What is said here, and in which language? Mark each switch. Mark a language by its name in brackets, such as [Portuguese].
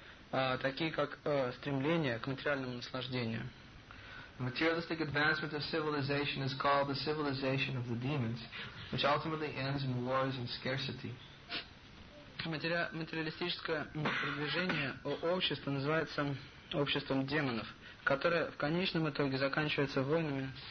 [Russian] Такие как стремление к материальному наслаждению. [English] The materialistic advancement of civilization is called the civilization of the demons, which ultimately ends in wars and scarcity. [Russian] Материалистическое продвижение общества называется обществом демонов, которое в конечном итоге заканчивается войнами.